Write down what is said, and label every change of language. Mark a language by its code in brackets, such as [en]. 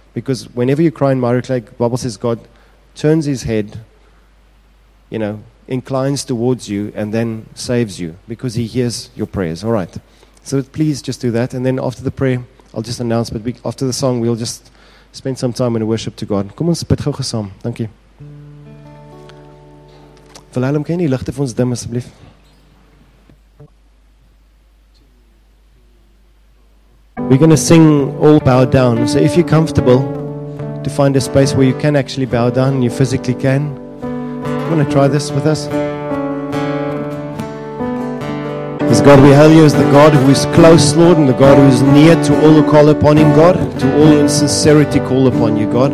[en] Because whenever you cry in miry clay, the Bible says God turns his head, you know, inclines towards you and then saves you because he hears your prayers. All right. So please just do that. And then after the prayer, I'll just announce, but after the song, we'll just spend some time in worship to God. [af] Kom ons bid gou gesaam. Dankie. Wilhelm, kan jy die ligte vir ons dim asseblief? [en] We're going to sing All Bow Down. So if you're comfortable to find a space where you can actually bow down, you physically can, you want to try this with us? As God, we hail you as the God who is close, Lord, and the God who is near to all who call upon him, God, to all in sincerity call upon you, God.